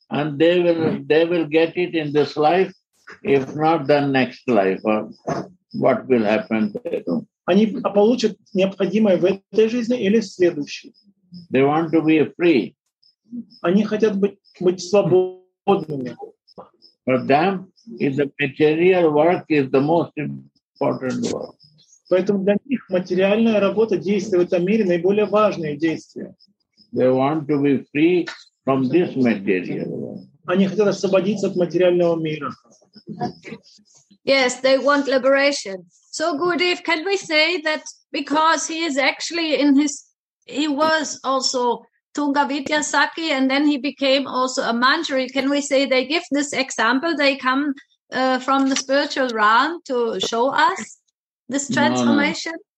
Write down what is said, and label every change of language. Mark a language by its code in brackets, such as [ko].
[en] And they will get it in this life, if not the next life. What will happen there? [ru] Они получат необходимое в этой жизни или в следующей. [en] They want to be free. [ru] Они хотят быть свободными. [en] For them, the material work is the most important work. [ru] Поэтому для них материальная работа, действия в этом мире, наиболее важные действия. [en] They want to be free from this material work. [ru] Они хотят освободиться от материального мира. [en] Yes, they want liberation. So Gurudev, can we say that because he is actually in his, he was also Tungavitya Saki and then he became also a Manjari. Can we say they give this example? They come from the spiritual realm to show us this transformation?